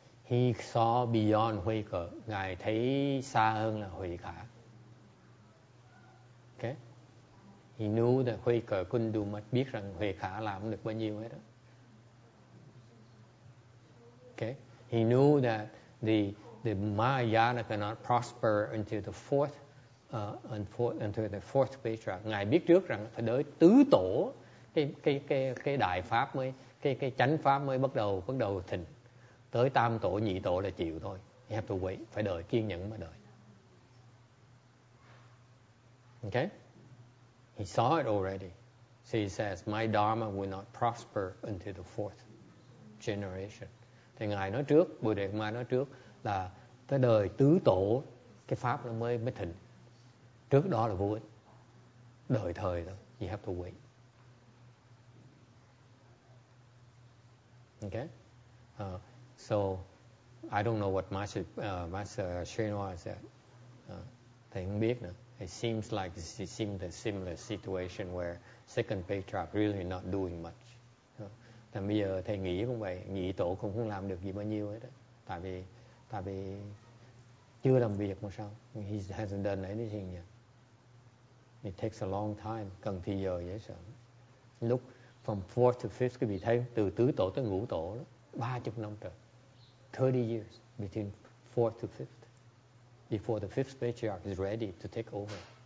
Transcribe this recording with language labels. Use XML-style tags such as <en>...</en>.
<en>He saw beyond</en> <vi>huy cỡ. Ngài thấy xa hơn là huy khả.</vi> <en>Okay. He knew that huy cỡ couldn't do much.</en> <vi>Biết rằng huy khả làm được bao nhiêu hết đó.</vi> <en>Okay. He knew that the the Mahayana cannot prosper until the fourth until the fourth vajra.</en> <vi>Ngài biết trước rằng phải đợi tứ tổ cái đại pháp mới cái chánh pháp mới bắt đầu thịnh. Tới tam tổ nhị tổ là chịu thôi.</vi> <en>You have to wait,</en> <vi>phải đợi kiên nhẫn mà đợi.</vi> <en>Okay? He saw it already. So he says, my dharma will not prosper until the fourth generation.</en> <vi>Thì ngài nói trước, Bồ Đề Ma nói trước là tới đời tứ tổ cái pháp nó mới thịnh. Trước đó là vô ích. Đợi thời đó.</vi> <en>You have to wait. Okay? So I don't know what Master Srinivas said.</en> <vi>Thầy không biết nữa.</vi> <en>It seems like a similar situation where second patriarch really not doing much.</en> <vi>Thì bây giờ thầy nghĩ cũng vậy, nhị tổ cũng không làm được gì bao nhiêu hết. Tại vì chưa làm việc mà sao?</vi> <en>He hasn't done anything yet. It takes a long time,</en> <vi>cần thì giờ dễ sợ. Lúc</vi> <en>from fourth to fifth,</en> <vi>quý vị thấy từ tứ tổ tới ngũ tổ, 30 năm trời.</vi> <en>30 years between fourth to fifth. Before the fifth patriarch is ready to take over.</en>